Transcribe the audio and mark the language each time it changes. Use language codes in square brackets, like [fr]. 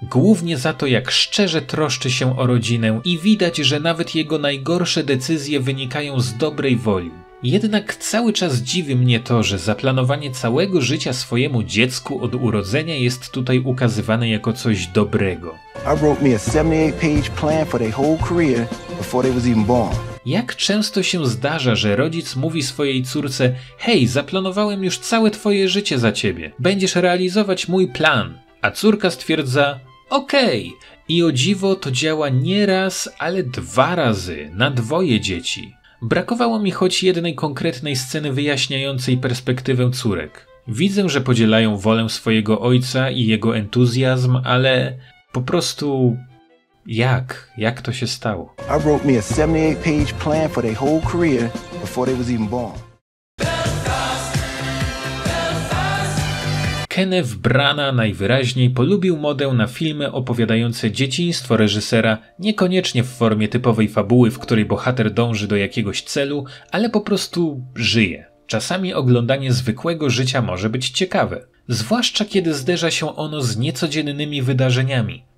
[pl] Głównie za to, jak szczerze troszczy się o rodzinę i widać, że nawet jego najgorsze decyzje wynikają z dobrej woli. Jednak cały czas dziwi mnie to, że zaplanowanie całego życia swojemu dziecku od urodzenia jest tutaj ukazywane jako coś dobrego. [en] I wrote me a 78-page plan for their whole career before they was even born. [pl] Jak często się zdarza, że rodzic mówi swojej córce: hej, zaplanowałem już całe twoje życie za ciebie, będziesz realizować mój plan. A córka stwierdza: okej. I o dziwo to działa nie raz, ale dwa razy, na dwoje dzieci. Brakowało mi choć jednej konkretnej sceny wyjaśniającej perspektywę córek. Widzę, że podzielają wolę swojego ojca i jego entuzjazm, ale po prostu... Jak? Jak to się stało? [en] I wrote me a 78-page plan for their whole career before they was even born. [pl] Kenneth Branagh najwyraźniej polubił modę na filmy opowiadające dzieciństwo reżysera niekoniecznie w formie typowej fabuły, w której bohater dąży do jakiegoś celu, ale po prostu żyje. Czasami oglądanie zwykłego życia może być ciekawe, zwłaszcza kiedy zderza się ono z niecodziennymi wydarzeniami.